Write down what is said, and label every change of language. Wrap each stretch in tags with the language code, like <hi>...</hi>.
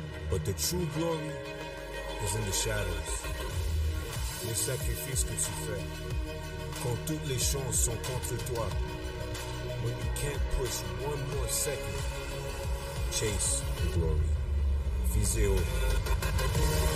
<en>But the true glory is in the shadows.</en> <fr>Les sacrifices que tu fais quand toutes les chances sont contre toi.</fr> <en>When you can't push one more second, chase the glory.</en> <fr>Visez haut.</fr>